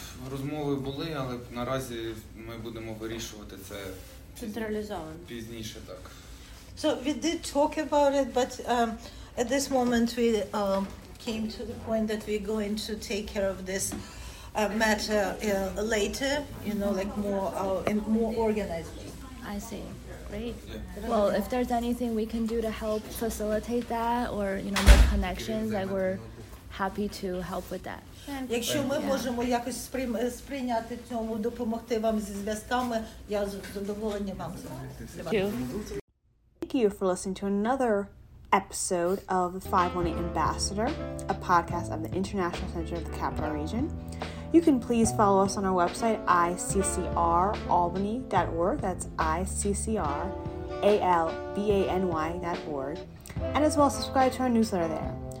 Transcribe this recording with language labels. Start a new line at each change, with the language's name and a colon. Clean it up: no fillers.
Ukrainian: Розмови були, але наразі ми будемо вирішувати це централізовано. Пізніше, так.
English: So we did talk about it, but at this moment we came to the point that we're going to take care of this matter later, you know, like more in more organized way. I see. Great. Well, if there's anything we can do to help facilitate that or, you know, make connections, like we're happy to help with that.
Ukrainian: Якщо ми можемо якось сприйняти цьому, допомогти вам зі зв'язками, я з задоволенням вам дякую.
English: Thank you for listening to another episode of the 518 Ambassador, a podcast of the International Center of the Capital Region. You can please follow us on our website, iccralbany.org, that's iccralbany.org, and as well subscribe to our newsletter there.